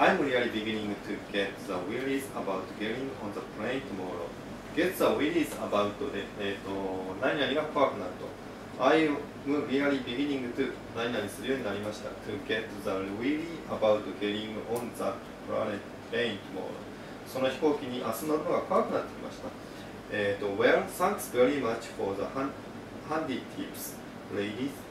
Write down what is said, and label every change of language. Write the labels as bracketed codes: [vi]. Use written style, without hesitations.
[en] I'm really beginning to get the willies about getting on the plane tomorrow. Get the willies about [ja] で、何々が怖くなると。 [en] I'm really beginning to [ja] 何々するようになりました。 [en] To get the willies about getting on the plane tomorrow. [ja] その飛行機に明日乗るのが怖くなってきました。 [en] Well, thanks very much for the handy tips, ladies.